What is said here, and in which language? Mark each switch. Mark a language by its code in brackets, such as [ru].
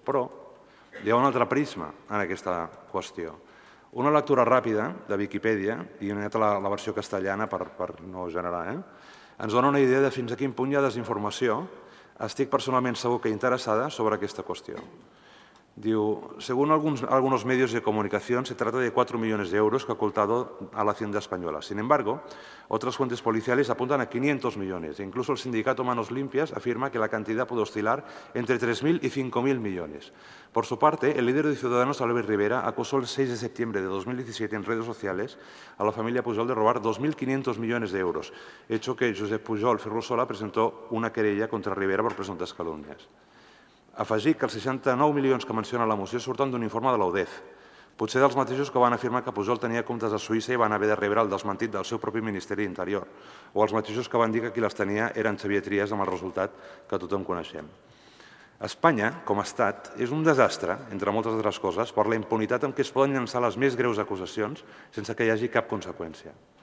[ca] Però hi ha un altre prisma en aquesta qüestió. Una lectura ràpida de Wikipedia, i he anat a la versió castellana per no generar, ens dona una idea de fins a quin punt hi ha desinformació. Estic personalment segur que interessada sobre aquesta qüestió. [es] Diu, según algunos medios de comunicación, se trata de 4 millones de euros que ha ocultado a la Hacienda Española. Sin embargo, otras fuentes policiales apuntan a 500 millones. E incluso el sindicato Manos Limpias afirma que la cantidad puede oscilar entre 3.000 y 5.000 millones. Por su parte, el líder de Ciudadanos, Albert Rivera, acusó el 6 de septiembre de 2017 en redes sociales a la familia Pujol de robar 2.500 millones de euros, hecho que Josep Pujol Ferrusola presentó una querella contra Rivera por presuntas calumnias. [ca] Afegir que els 69 milions que menciona la moció surten d'un informe de l'UDEF, potser dels mateixos que van afirmar que Pujol tenia comptes a Suïssa i van haver de rebre el desmentit del seu propi Ministeri d'Interior, o els mateixos que van dir que qui les tenia eren Xavier Trias, amb el resultat que tothom coneixem. Espanya, com a estat, és un desastre, entre moltes altres coses, per la impunitat amb què es poden llançar les més greus acusacions sense que hi hagi cap conseqüència.